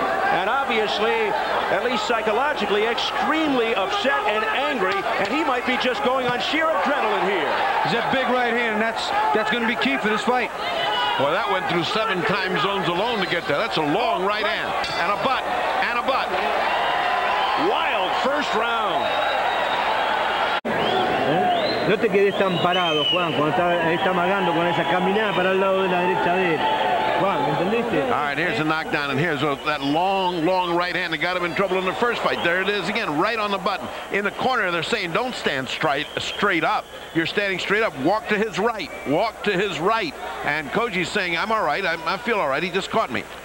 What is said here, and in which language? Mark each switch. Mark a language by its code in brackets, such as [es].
[en] And obviously, at least psychologically, extremely upset and angry, and he might be just going on sheer adrenaline here. He's that big right hand, and that's going to be key for this fight. Well, that went through seven time zones alone to get there. That's a long right hand, and a butt, and a butt. Wild first round. [es] No te quedes tan parado, Juan, cuando está amagando con esa caminada para el lado de la derecha de él. [en] All right, here's a knockdown, and here's that long, long right hand that got him in trouble in the first fight. There it is again, right on the button. In the corner, they're saying, don't stand straight up. You're standing straight up. Walk to his right. Walk to his right. And Koji's saying, I'm all right. I feel all right. He just caught me.